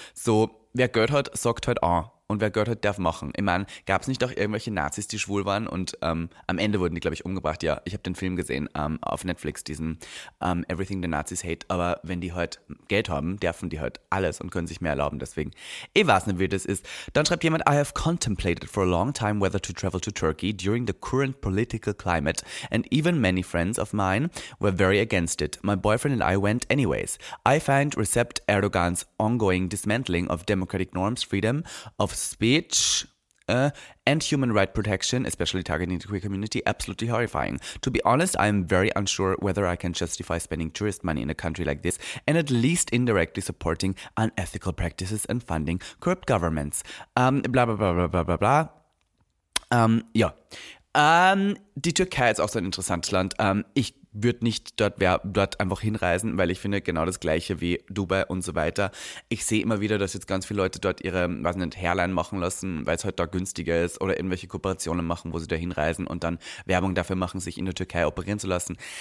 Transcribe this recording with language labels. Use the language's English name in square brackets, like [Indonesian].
[German] So, wer Geld hat, sagt halt an. Und wer Gott hat, darf machen. Ich meine, gab es nicht auch irgendwelche Nazis, die schwul waren? Und am Ende wurden die, glaube ich, umgebracht. Ja, ich habe den Film gesehen auf Netflix, diesen Everything the Nazis Hate. Aber wenn die halt Geld haben, dürfen die halt alles und können sich mehr erlauben. Deswegen, ich weiß nicht, wie das ist. Dann schreibt jemand, [English] I have contemplated for a long time whether to travel to Turkey during the current political climate. And even many friends of mine were very against it. My boyfriend and I went anyways. I find Recep Erdogan's ongoing dismantling of democratic norms, freedom of speech and human right protection, especially targeting the queer community, absolutely horrifying. To be honest, I am very unsure whether I can justify spending tourist money in a country like this and at least indirectly supporting unethical practices and funding corrupt governments. Blah, blah, blah, blah, blah, blah, blah. Ja. [German] Die Türkei ist auch so ein interessantes Land. Ich würde nicht dort einfach hinreisen, weil ich finde genau das Gleiche wie Dubai und so weiter. Ich sehe immer wieder, dass jetzt ganz viele Leute dort ihre, weiß nicht, Hairline machen lassen, weil es halt da günstiger ist oder irgendwelche Kooperationen machen, wo sie da hinreisen und dann Werbung dafür machen, sich in der Türkei operieren zu lassen.